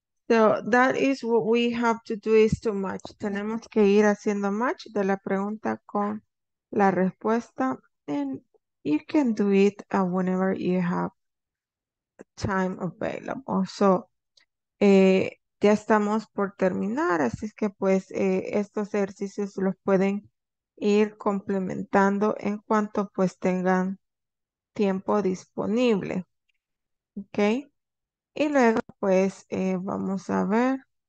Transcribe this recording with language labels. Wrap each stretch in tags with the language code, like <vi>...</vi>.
<en>So that is what we have to do is too much.</en> <es>Tenemos que ir haciendo match de la pregunta con la respuesta.</es> <en>And you can do it whenever you have time available.</en> <es>So, ya estamos por terminar, así es que pues estos ejercicios los pueden ir complementando en cuanto pues tengan tiempo disponible. Ok, y luego pues vamos a ver.</es>